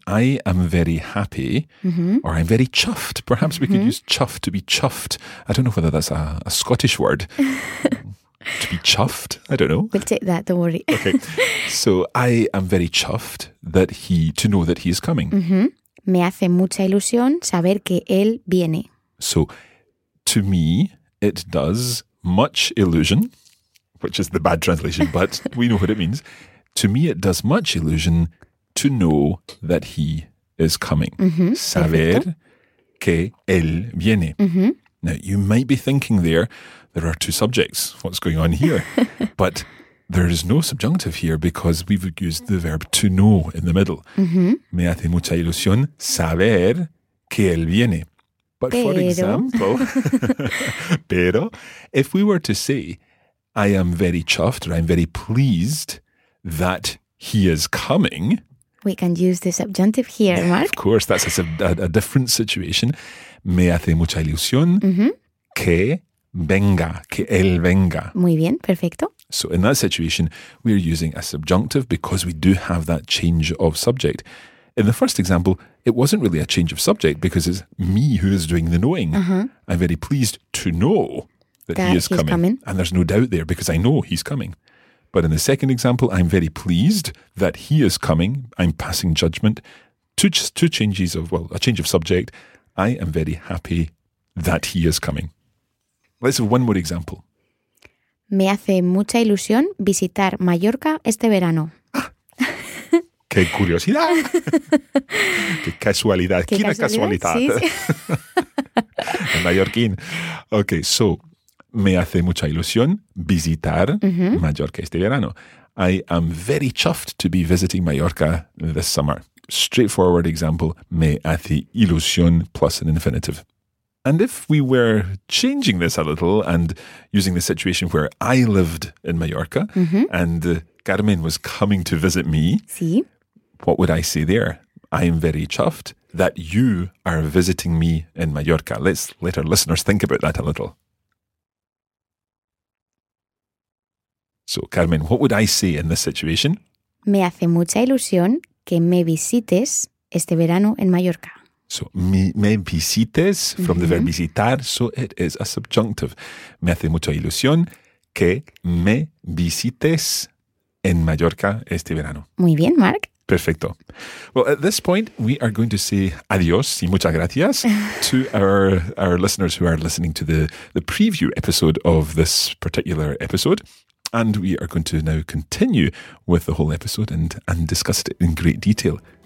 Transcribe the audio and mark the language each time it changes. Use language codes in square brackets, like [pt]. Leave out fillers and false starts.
[en] I am very happy, or I'm very chuffed. Perhaps we could use chuffed to be chuffed. I don't know whether that's a Scottish word. To be chuffed? I don't know. We'll take that, don't worry. Okay. So I am very chuffed to know that he is coming. Mm-hmm. [es] Me hace mucha ilusión saber que él viene. [en] So to me, it does much illusion, which is the bad translation, but we know what it means. To me, it does much illusion to know that he is coming. Mm-hmm. [es] Saber que él viene. Mm-hmm. [en] Now, you might be thinking there are two subjects. What's going on here? But there is no subjunctive here because we've used the verb to know in the middle. Mm-hmm. [es] Me hace mucha ilusión saber que él viene. [en] But [es] pero, [en] for example, pero, if we were to say, I am very chuffed or I'm very pleased that he is coming. We can use the subjunctive here, Mark. Of course, that's a different situation. [es] Me hace mucha ilusión que venga, que él venga. Muy bien, perfecto. [en] So in that situation, we're using a subjunctive because we do have that change of subject. In the first example, it wasn't really a change of subject because it's me who is doing the knowing. Uh-huh. I'm very pleased to know that he is coming. And there's no doubt there because I know he's coming. But in the second example, I'm very pleased that he is coming. I'm passing judgment. Two changes of, well, a change of subject. I am very happy that he is coming. Let's have one more example. [es] Me hace mucha ilusión visitar Mallorca este verano. ¡Qué curiosidad! ¡Qué casualidad! ¡Qué casualidad! Sí, sí. El mallorquín. Ok, so, me hace mucha ilusión visitar Mallorca este verano. [en] I am very chuffed to be visiting Mallorca this summer. Straightforward example, [es] me hace ilusión [en] plus an infinitive. And if we were changing this a little and using the situation where I lived in Mallorca and Carmen was coming to visit me, [es] sí. [en] What would I say there? I am very chuffed that you are visiting me in Mallorca. Let's let our listeners think about that a little. So, Carmen, what would I say in this situation? [es] Me hace mucha ilusión que me visites este verano en Mallorca. [en] So, [es] me visites, [en] from the verb visitar, so it is a subjunctive. [es] Me hace mucha ilusión que me visites en Mallorca este verano. Muy bien, Mark. Perfecto. [en] Well, at this point, we are going to say [es] adiós y muchas gracias [en] to our listeners who are listening to the preview episode of this particular episode. And we are going to now continue with the whole episode and discuss it in great detail.